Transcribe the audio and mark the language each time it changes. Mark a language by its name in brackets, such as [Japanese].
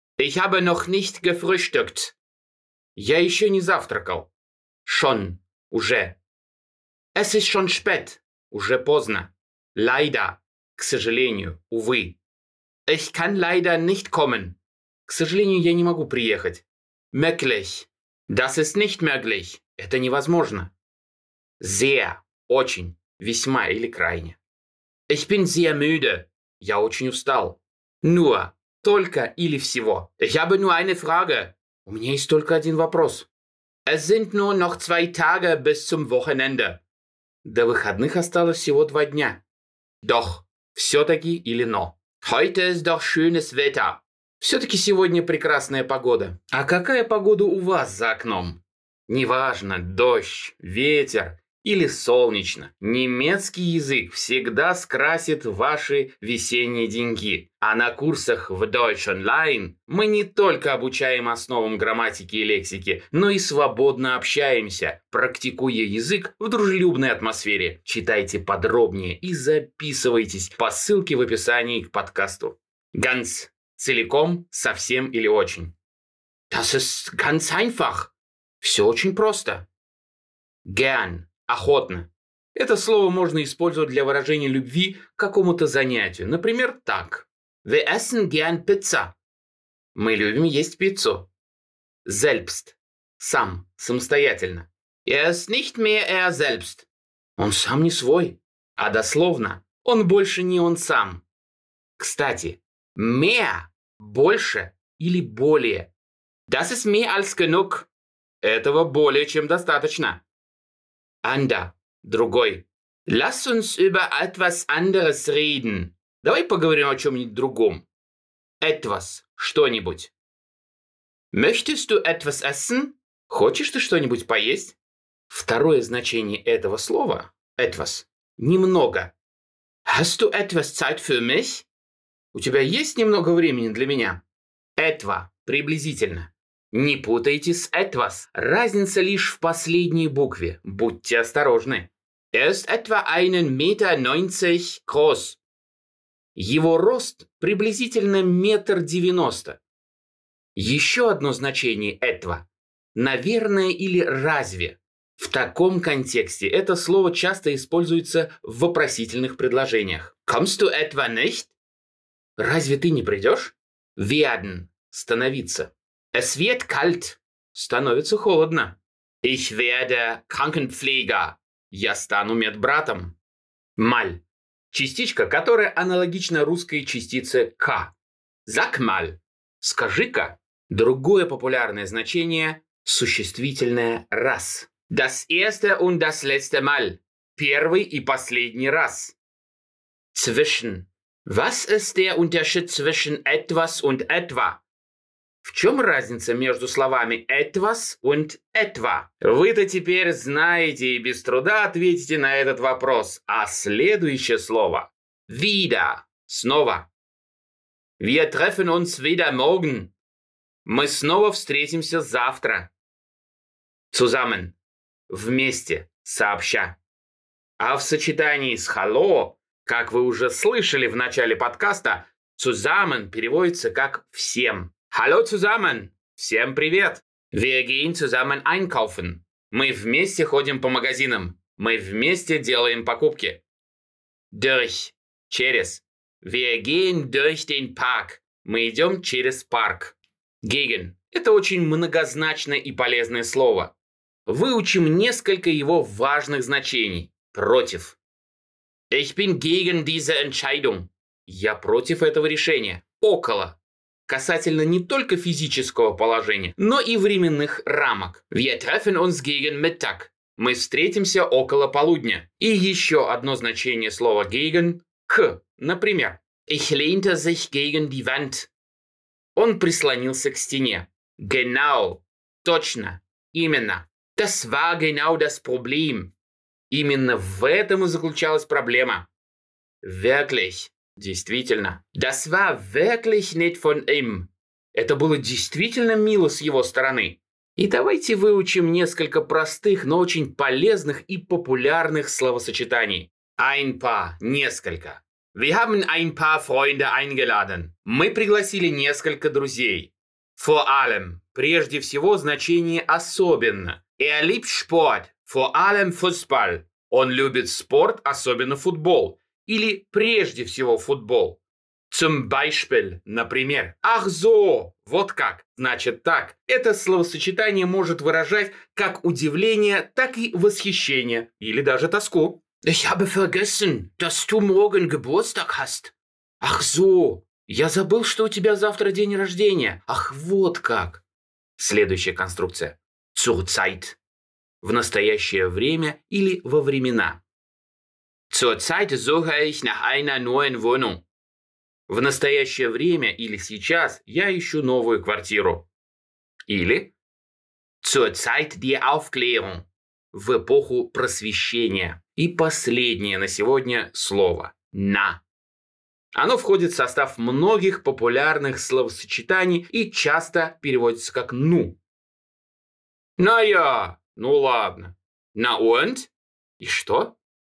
[German] Ich habe noch nicht gefrühstückt. [Russian] Я еще не завтракал. [German] Schon. [Russian] Уже. [German] Es ist schon spät. [Russian] Уже поздно. [German] Leider. [Russian] К сожалению, увы. [German] Ich kann leider nicht kommen. [Russian] К сожалению, я не могу приехать. [German] Möglich. Das ist nicht möglich. [Russian] Это невозможно. [German] Sehr. [Russian] Очень. Весьма или крайне. [German] Ich bin sehr müde. [Russian] Я очень устал. [German] Nur. [Russian] Только или всего. [German] Ich habe nur eine Frage. [Russian] У меня есть только один вопрос. [German] Es sind nur noch zwei Tage bis zum Wochenende. [Russian] До выходных осталось всего два дня. [German] Doch. [Russian] Все-таки или но. [German] Heute ist doch schönes Wetter. [Russian] Все-таки сегодня прекрасная погода. А какая погода у вас за окном? Неважно, дождь, ветер или солнечно. Немецкий язык всегда скрасит ваши весенние деньки. А на курсах в Deutsch Online мы не только обучаем основам грамматики и лексики, но и свободно общаемся, практикуя язык в дружелюбной атмосфере. Читайте подробнее и записывайтесь по ссылке в описании к подкасту. [German] Ganz. [Russian] Целиком, совсем или очень. [German] Das ist ganz einfach. [Russian] Все очень просто. [German] Gern. [Russian] Охотно. Это слово можно использовать для выражения любви к какому-то занятию. Например, так. [German] Wir essen gern Pizza. [Russian] Мы любим есть пиццу. [German] Selbst. [Russian] Сам, самостоятельно. [German] Er ist nicht mehr er selbst. [Russian] Он сам не свой. А дословно, он больше не он сам. Кстати. [German] Mehr [Russian] – больше или более. [German] Das ist mehr als genug. [Russian] Этого более чем достаточно. [German] Anda [Russian] – другой. [German] Lass uns über etwas anderes reden. [Russian] Давай поговорим о чем-нибудь другом. [German] Etwas [Russian] – что-нибудь. [German] Möchtest du etwas essen? [Russian] Хочешь ты что-нибудь поесть? Второе значение этого слова – etwas – немного. [German] Hast du etwas Zeit für mich? [Russian] У тебя есть немного времени для меня? Этва. Приблизительно. Не путайте с этвас. Разница лишь в последней букве. Будьте осторожны. [German] Ist etwa einen Meter neunzig groß. [Russian] Его рост приблизительно 1,90 м. Еще одно значение этва. Наверное или разве? В таком контексте это слово часто используется в вопросительных предложениях. [German] Kommst du etwa nicht? [Russian] Разве ты не придешь? [German] Werden. [Russian] Становиться. [German] Es wird kalt. [Russian] Становится холодно. [German] Ich werde Krankenpfleger. [Russian] Я стану медбратом. [German] Mal. [Russian] Частичка, которая аналогична русской частице «к». [German] Sag mal. [Russian] Скажи-ка. Другое популярное значение – существительное «раз». [German] Das erste und das letzte Mal. [Russian] Первый и последний раз. [German] Zwischen. Was ist der Unterschied zwischen etwas und etwa? [Russian] В чем разница между словами etwas und etwa? Вы-то теперь знаете и без труда ответите на этот вопрос. А следующее слово. [German] Wieder. [Russian] Снова. [German] Wir treffen uns wieder morgen. [Russian] Мы снова встретимся завтра. [German] Zusammen. [Russian] Вместе. Сообща. А в сочетании с hallo... Как вы уже слышали в начале подкаста, zusammen переводится как «всем». [German] Hallo zusammen! [Russian] Всем привет! [German] Wir gehen zusammen einkaufen. [Russian] Мы вместе ходим по магазинам. Мы вместе делаем покупки. [German] Durch. [Russian] Через. [German] Wir gehen durch den Park. [Russian] Мы идем через парк. [German] Gegen. [Russian] Это очень многозначное и полезное слово. Выучим несколько его важных значений. Против. [German] Ich bin gegen diese Entscheidung. [Russian] Я против этого решения. Около. касательно не только физического положения, но и временных рамок. [German] Wir treffen uns gegen Mittag. [Russian] Мы встретимся около полудня. И еще одно значение слова gegen – к. Например, [German] ich lehnte sich gegen die Wand. [Russian] Он прислонился к стене. [German] Genau. [Russian] Точно. Именно. [German] Das war genau das Problem. [Russian] Именно в этом и заключалась проблема. [German] Wirklich. [Russian] Действительно. [German] Das war wirklich nett von ihm. [Russian] Это было действительно мило с его стороны. И давайте выучим несколько простых, но очень полезных и популярных словосочетаний. [German] Ein paar. [Russian] Несколько. [German] Wir haben ein paar Freunde eingeladen. [Russian] Мы пригласили несколько друзей. [German] Vor allem. [Russian] Прежде всего, значение особенно. [German] Er liebt Sport. Vor allem Fußball. [Russian] Он любит спорт, особенно футбол. Или прежде всего футбол. [German] Zum Beispiel, [Russian] например. [German] Ach so, [Russian] вот как. Значит так. Это словосочетание может выражать как удивление, так и восхищение. Или даже тоску. [German] Ich habe vergessen, dass du morgen Geburtstag hast. Ach so, [Russian] я забыл, что у тебя завтра день рождения. Ах, вот как. Следующая конструкция. [German] Zur Zeit. [Russian] В настоящее время или во времена. [German] Zurzeit suche ich nach einer neuen Wohnung. [Russian] В настоящее время или сейчас я ищу новую квартиру. Или [German] Zurzeit die Aufklärung. [Russian] В эпоху просвещения. И последнее на сегодня слово на. Оно входит в состав многих популярных словосочетаний и часто переводится как ну. На я. Ну ладно. На und? И что?